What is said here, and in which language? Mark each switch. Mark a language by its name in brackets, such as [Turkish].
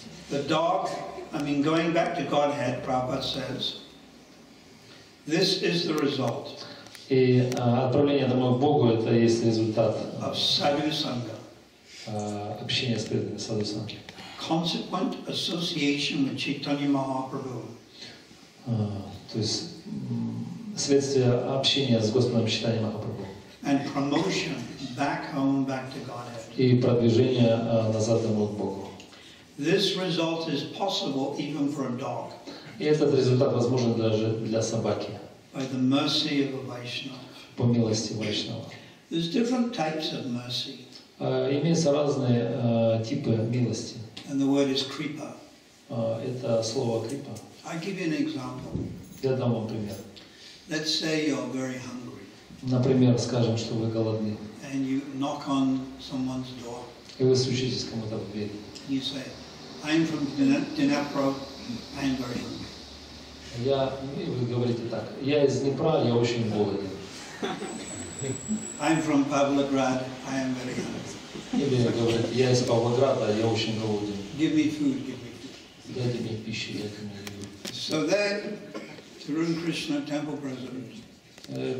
[English] The dog, I mean, going back to Godhead, Prabhupada says, this is the result. [Russian] И отправление домой к Богу – это есть результат. [English] Of sadhu sangha. [Russian] Общение с преданными sadhu sangha. [English] Consequent association with Chaitanya Mahaprabhu. [Russian] то есть следствие общения с Господом Чайтанья Махапрабху. [English] And promotion back home, back to Godhead. [Russian] И продвижение назад домой к Богу. [English] This result is possible even for a dog. [Russian] И этот результат возможен даже для собаки. [English] By the mercy of a Vaishnava. [Russian] По милости Вайшнава. [English] There's different types of mercy. [Russian] Имеются разные типы милости. [English] And the word is kripa. [Russian] Это слово kripa. [English] I give you an example. [Russian] Я дам вам пример. [English] Let's say you're very hungry. [Russian] Например, скажем, что вы голодны. [English] And you knock on someone's door. [Russian] И вы стучитесь кому-то в дверь. [English] You say, I'm from Dnipro, I'm very hungry. [Russian] Вы говорите так: я из Днепра, я очень голоден. [English] I'm from Pavlograd. I am very hungry. [Russian] Или говорит: я из Павлограда, я очень голоден. [English] Give me food. Give me food. [Russian] Дайте мне пищу, дайте мне. [English] So then, Tarun Krishna, temple president.